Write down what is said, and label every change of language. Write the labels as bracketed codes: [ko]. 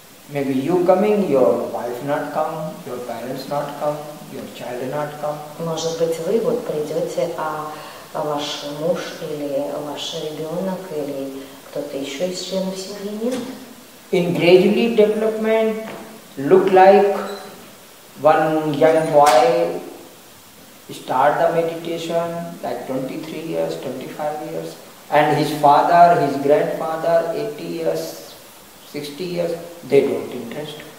[en] Maybe you coming, your wife not come, your parents not come. Your child not come. [ru] Может быть, вы вот придете, а ваш муж или ваш ребенок или кто-то еще из членов семьи нет? [en] In gradually development look like one young boy start the meditation like 23 years, 25 years, and his father, his grandfather 80 years, 60 years, they don't interest.